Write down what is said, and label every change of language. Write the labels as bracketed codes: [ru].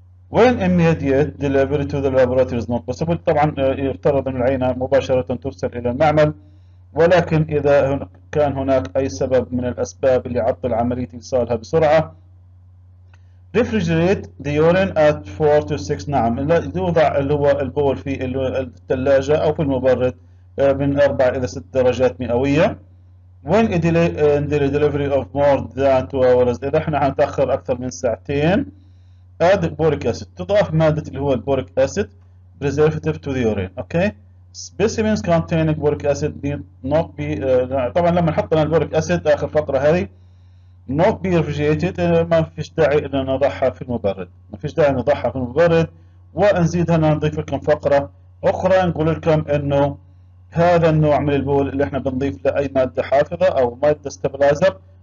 [en] When immediate delivery to the laboratory is not possible [ar] طبعا يفترض ان العينه مباشره ترسل الى المعمل ولكن اذا كان هناك اي سبب من الاسباب اللي يعطل عمليه ايصالها بسرعه. [en] Refrigerate the urine at 4 to 6 [ar] نعم يوضع اللي هو البول في الثلاجه او في المبرد من 4 الى 6 درجات مئويه. [en] When a delivery of more than 2 hours [ar] اذا احنا هنتاخر اكثر من ساعتين. [en] Add boric acid [ar] تضاف مادة اللي هو البوريك اسيد [en] preservative to the urine. Okay. Specimens containing boric acid need not be [ar] طبعا لما حطنا البوريك اسيد اخر فقرة هذه [en] not be refrigerated [ar] ما فيش داعي ان نضعها في المبرد ما فيش داعي نضعها في المبرد ونزيد هنا نضيف لكم فقرة اخرى نقول لكم انه هذا النوع من البول اللي احنا بنضيف له اي مادة حافظة او مادة ستابلايزر